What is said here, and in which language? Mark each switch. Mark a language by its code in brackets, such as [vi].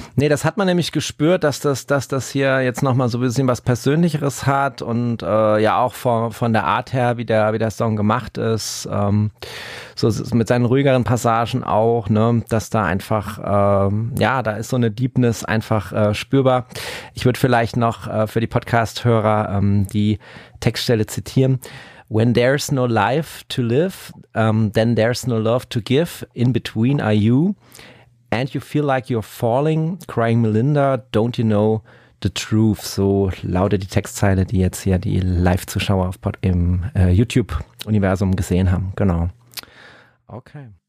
[de] Nee, das hat man nämlich gespürt, dass das hier jetzt nochmal so ein bisschen was Persönlicheres hat und auch von der Art her, wie der Song gemacht ist, so mit seinen ruhigeren Passagen auch, ne, dass da einfach, da ist so eine Deepness einfach spürbar. Ich würde vielleicht noch für die Podcast-Hörer die Textstelle zitieren. [en] When there's no life to live, then there's no love to give, in between are you. And you feel like you're falling, crying Melinda, don't you know the truth? [de] So lautet die Textzeile, die jetzt hier die Live-Zuschauer im YouTube-Universum gesehen haben. Genau. Okay.